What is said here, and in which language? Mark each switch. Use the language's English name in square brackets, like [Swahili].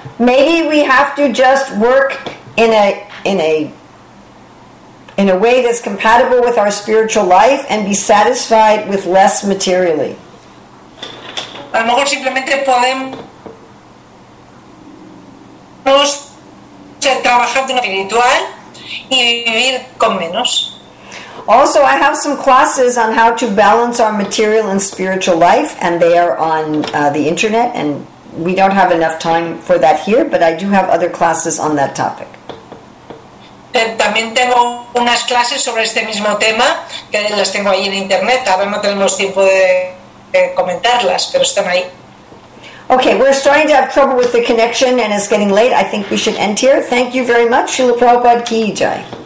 [English] Maybe we have to just work in a way that's compatible with our spiritual life and be satisfied with less materially. [Spanish] A lo mejor simplemente podemos trabajar de una espiritual y vivir con menos. [English] Also, I have some classes on how to balance our material and spiritual life, and they are on the internet, and we don't have enough time for that here, but I do have other classes on that topic. [Spanish] También tengo unas clases sobre este mismo tema que las tengo ahí en internet. Ahora no tenemos tiempo de comentarlas, pero están ahí. [English] Okay, we're starting to have trouble with the connection and it's getting late. I think we should end here. Thank you very much, Srila Prabhupada Ki Jai.